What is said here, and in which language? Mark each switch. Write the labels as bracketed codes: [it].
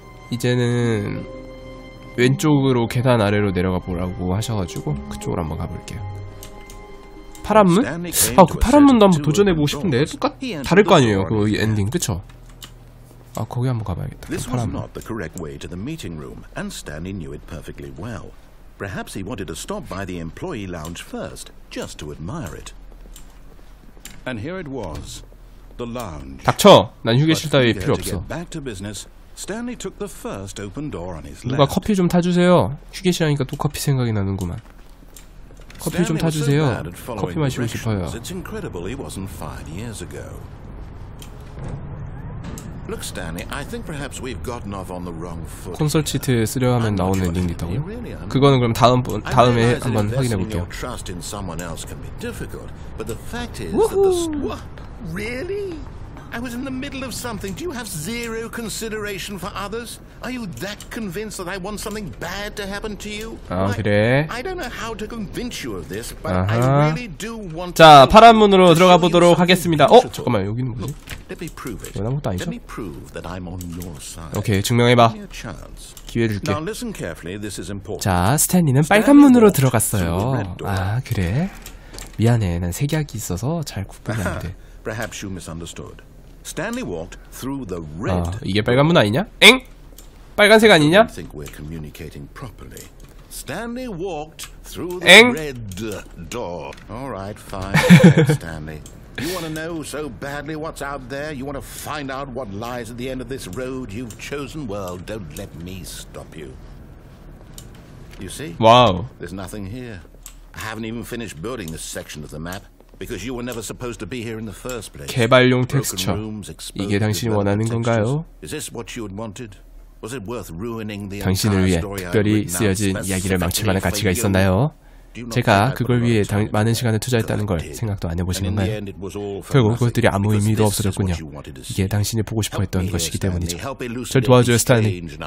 [ko] 이제는 왼쪽으로 계단 아래로 내려가 보라고 하셔가지고 그쪽으로 한번 가볼게요. 파란 문? 아, 그 파란 문도 한번 도전해 보고 싶은데 똑같 다를 거 아니에요. 그 엔딩 그쵸? 아, 거기 한번 가봐야겠다. [en] This was not the correct way to the meeting room, and Stanley knew it perfectly well. Perhaps he wanted to stop by the employee lounge first, just to admire it. And here it was, the lounge. [ko] 닥쳐, 난 휴게실 따위 필요 없어. [en] To get back to business, Stanley took the first open door on his left. [ko] 누가 커피 좀 타주세요. 휴게실 하니까 또 커피 생각이 나는구만. 커피 좀 타주세요. 커피 마시고 싶어요. [en] It's incredible he wasn't fired years ago. Look, Stanley. I think perhaps we've gotten off on the wrong foot. [ko] 콘서트 쓰려 하면 나오는 일이 있다고요? 그거는 그럼 다음에 한번 확인해 볼게요. [en] Trust in someone else can be difficult, but the fact is that the what? Really? I was in the middle of something. Do you have zero consideration for others? Are you that convinced that I want something bad to happen to you? [ko] 아 그래. [en] I don't know how to convince you of this, but I really do want. [ko] 자 파란 문으로 들어가 보도록 하겠습니다. 어 잠깐만 여기는 뭐지? [en] Let me prove it. [ko] 아무것도 아니죠? [en] Let me prove that I'm on your side. [ko] 오케이 증명해봐. 기회를 줄게. [en] Now listen carefully. This is important. [ko] 자 스탠리는 빨간 문으로 들어갔어요. 아 그래. 미안해. 난 색약이 있어서 잘 구분이 안 돼. [en] Perhaps you misunderstood. Stanley walked through the red. [ko] 아, 이게 빨간 문 아니냐? 엥? 빨간색 아니냐? [en] I think we're communicating properly. Stanley walked through the red door. All right, fine. Stanley, you want to know so badly what's out there? You want to find out what lies at the end of this road you've chosen? Well, don't let me stop you. You see? Wow. There's nothing here. I haven't even finished building this section of the map. Because you were never supposed to be here in the first place. [ko] 개발용 텍스처. 이게 당신이 원하는 건가요? [en] Is this what you had wanted? Was it worth ruining the [ko] 당신을 위해 특별히 쓰여진 이야기를 망칠 만한 가치가 있었나요? 제가 그걸 위해 많은 시간을 투자했다는 걸 생각도 안 해보신 건가요? 결국 그것들이 아무 의미도 없어졌군요. 이게 당신이 보고 싶어했던 것이기 때문이죠. 절 도와줘요, 스탠리.